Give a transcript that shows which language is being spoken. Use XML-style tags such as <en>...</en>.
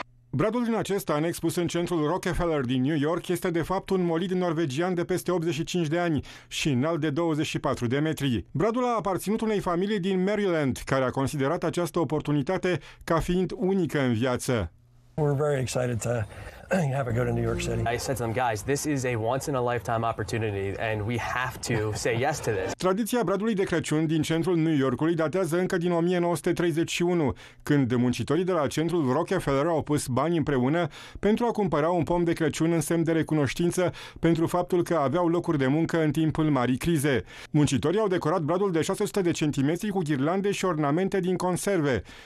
<ro>Bradul din acest an, expus în centrul Rockefeller din New York, este de fapt un molid norvegian de peste 85 de ani și înalt de 24 de metri. Bradul a aparținut unei familii din Maryland, care a considerat această oportunitate ca fiind unică în viață.</ro> <en>We're very excited to have a go to New York City. I said to them, guys, this is a once-in-a-lifetime opportunity and we have to say yes to this.</en> <ro>Tradiția bradului de Crăciun din centrul New Yorkului datează încă din 1931, când muncitorii de la centrul Rockefeller au pus bani împreună pentru a cumpăra un pom de Crăciun în semn de recunoștință pentru faptul că aveau locuri de muncă în timpul marii crize. Muncitorii au decorat bradul de 600 de centimetri cu ghirlande și ornamente din conserve.</ro>